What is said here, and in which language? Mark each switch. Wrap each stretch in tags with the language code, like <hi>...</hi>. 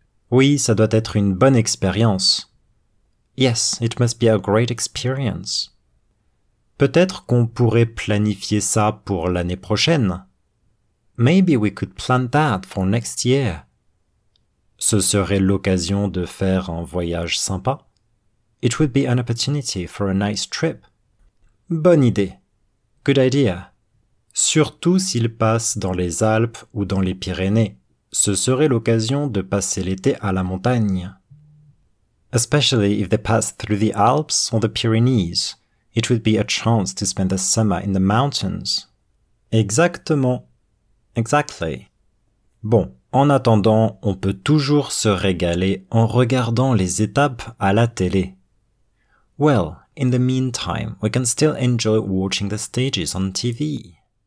<fr>Oui, ça doit être une bonne expérience.</fr> <en>Yes, it must be a great experience.</en> <fr>Peut-être qu'on pourrait planifier ça pour l'année prochaine.</fr> <en>Maybe we could plan that for next year.</en> <fr>Ce serait l'occasion de faire un voyage sympa.</fr> <en>It would be an opportunity for a nice trip.</en> <fr>Bonne idée.</fr> <en>Good idea.</en> <fr>Surtout s'il passe dans les Alpes ou dans les Pyrénées. Ce serait l'occasion de passer l'été à la montagne.</fr> <en>Especially if they pass through the Alps or the Pyrenees. It would be a chance to spend the summer in the mountains.</en> <fr>Exactement. Exactly. Bon, en attendant, on peut toujours se régaler en regardant les étapes à la télé.</fr> <en>Well, in the meantime, we can still enjoy watching the stages on TV.</en>